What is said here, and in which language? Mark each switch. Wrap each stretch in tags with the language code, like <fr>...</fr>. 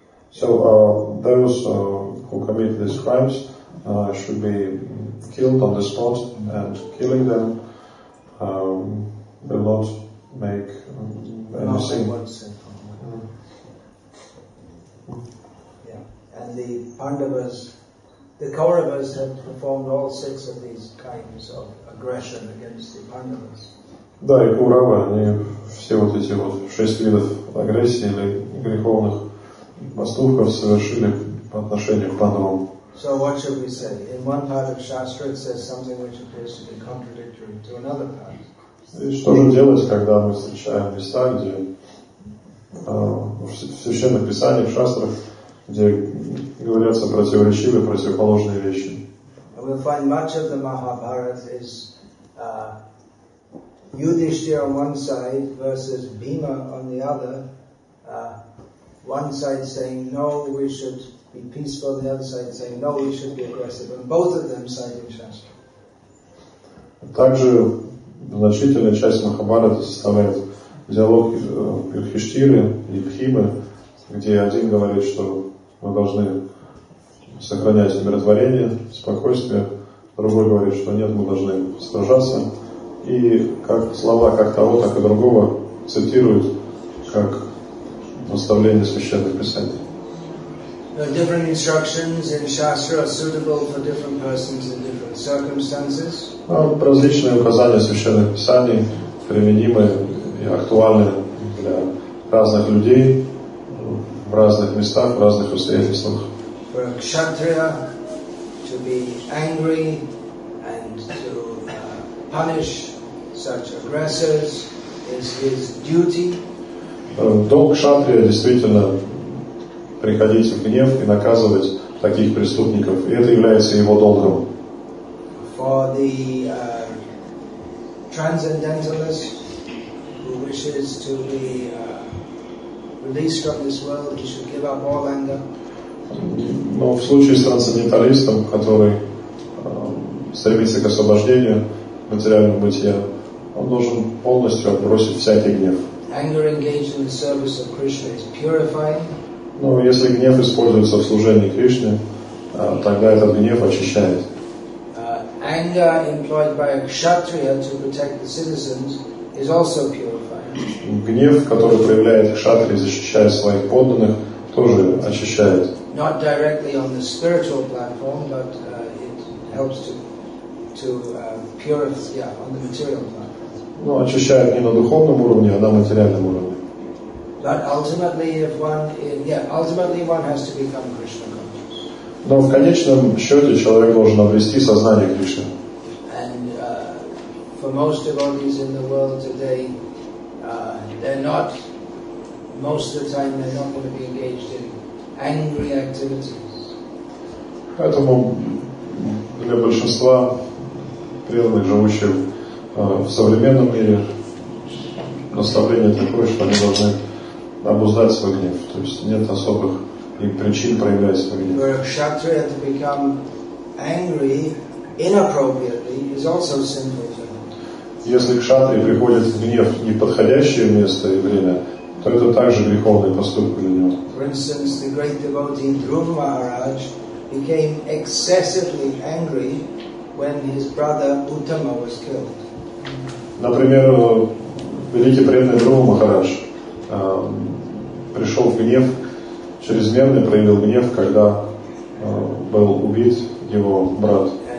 <en>So those who commit these crimes should be killed on the spot, and killing them will not make anything. And the Pandavas, the Kauravas had performed all 6 of these kinds of aggression against the Pandavas.</en> <ru>Да, и Куравы, они все вот эти вот 6 видов агрессии или греховных поступков совершили по отношению к Пандавам.</ru> <en>So what should we say? In one part of Shastra it says something which appears to be contradictory to another part.</en> <ru>И что же делать, когда мы встречаем места, где в священных писаниях, в шастрах, где говорятся противоречивые, противоположные вещи?</ru> <en>And we'll find much of the Mahabharata is Yudhishthira on one side versus Bhima on the other, one side saying no, we should be peaceful, the other side saying no, we should be aggressive, and both of them citing Shastra.</en> <ru>Также значительная часть Махабхараты составляет диалог Юдхиштхиры и Бхимы, где один говорит, что мы должны сохранять умиротворение, спокойствие, другой говорит, что нет, мы должны сражаться. И как слова как того, так и другого цитируют как наставление священных писаний.</ru> <en>The different instructions in Shastra are suitable for different persons in different circumstances.</en> <ru>Различные указания священных писаний применимы и актуальны для разных людей в разных местах, в разных обстоятельствах.</ru> <en>For a kshatriya to be angry and to punish such aggressors is his duty.</en> <ru>Долг кшатрия действительно приходить в гнев и наказывать таких преступников, и это является его долгом.</ru> <en>For the transcendentalist who wishes to be released from this world, he should give up all anger.</en> <ru>Но в случае с трансценденталистом, который стремится к освобождению материального бытия, он должен полностью отбросить всякий гнев.</ru> <en>Anger engaged in the service of Krishna is purifying.</en> <ru>Но если гнев используется в служении Кришне, тогда этот гнев очищает.</ru> <en>Anger employed by a kshatriya to protect the citizens is also purifying.</en> <ru>гнев, который проявляет кшатри, защищая своих подданных, тоже очищает.</ru> <en>Not directly on the spiritual platform, but it helps to purify, yeah, on the material platform.</en> <ru>Ну, очищает не на духовном уровне, а на материальном уровне.</ru> <en>But ultimately, if one, yeah, ultimately one has to become Krishna conscious.</en> <ru>Но в конечном счете человек должен обрести сознание Кришны.</ru> <en>And for most devotees in the world today, they're not, most of the time, they're not going to be engaged in angry activities.</en> <ru>Поэтому для большинства преданных, живущих в современном мире, наставление такое, что они должны обуздать свой гнев. То есть нет особых причин проявлять свой гнев.</ru> <en>For a kshatriya to become angry inappropriately is also sinful to him.</en> <ru>Если кшатри приходит в гнев в неподходящее место и время, то это также греховный поступок для него.</ru> <en>For instance, the great devotee Dhruva Maharaj became excessively angry when his brother Uttama was killed.</en> <ru>Например, великий преданный Дхрува Махарадж пришел в гнев, чрезмерно проявил гнев, когда был убит его брат.</ru>